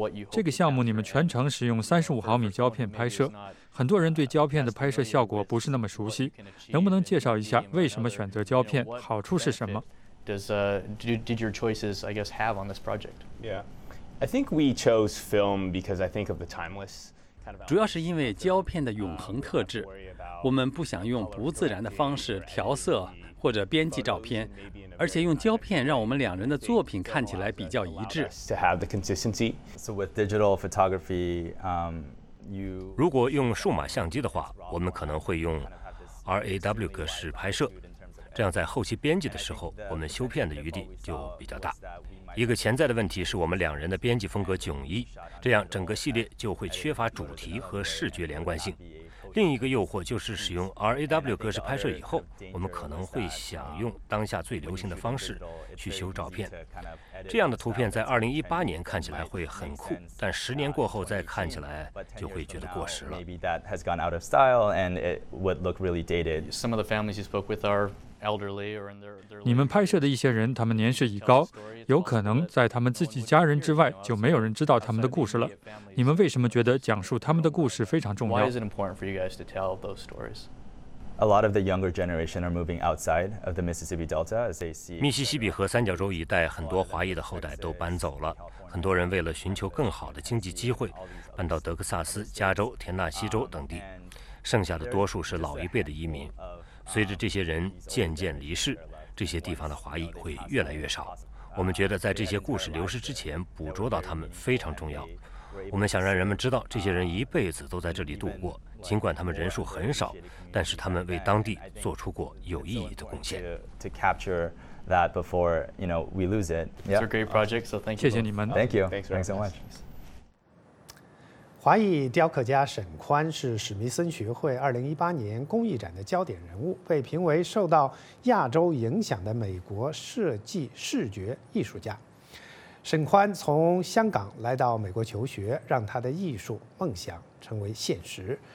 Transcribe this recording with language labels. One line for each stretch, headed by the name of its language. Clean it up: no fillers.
Chinese: 这个项目你们全程使用35毫米胶片拍摄，很多人对胶片的拍摄效果不是那么熟悉，能不能介绍一下为什么选择胶片，好处是什么？
English: Did your choices, I guess, have on this project? Yeah, I think we chose film because I think of the timeless.
Chinese: 主要是因为胶片的永恒特质，我们不想用不自然的方式调色或者编辑照片，而且用胶片让我们两人的作品看起来比较一致。如果用数码相机的话，我们可能会用 RAW 格式拍摄，这样在后期编辑的时候，我们修片的余地就比较大。一个潜在的问题是我们两人的编辑风格迥异，这样整个系列就会缺乏主题和视觉连贯性。另一个诱惑就是使用 RAW 格式拍摄以后，我们可能会想用当下最流行的方式去修照片。这样的图片在2018年看起来会很酷，但10年过后再看起来就会觉得过时了。
English: Maybe that has gone out of style and it would look really dated. Some of the families you spoke with are elderly or in their.
Chinese: 你们拍摄的一些人，他们年事已高，有可能在他们自己家人之外就没有人知道他们的故事了。你们为什么觉得讲述他们的故事非常重要
English: ？Why is it important for you guys to tell those stories? A lot of the younger generation are moving outside of the Mississippi Delta as they see.
Chinese: 密西西比河三角洲一带很多华裔的后代都搬走了，很多人为了寻求更好的经济机会，搬到德克萨斯、加州、田纳西州等地，剩下的多数是老一辈的移民。随着这些人渐渐离世，这些地方的华裔会越来越少。我们觉得在这些故事流失之前，捕捉到他们非常重要。我们想让人们知道，这些人一辈子都在这里度过，尽管他们人数很少，但是他们为当地做出过有意义的贡献。
English: To capture that before you know we lose it. It's a great project, so thank you.
Chinese: 谢谢你们。
English: Thank you. Thanks so much.
Chinese: 华裔雕刻家沈宽是史密森学会2018年工艺展的焦点人物，被评为受到亚洲影响的美国设计视觉艺术家。沈宽从香港来到美国求学，让他的艺术梦想成为现实。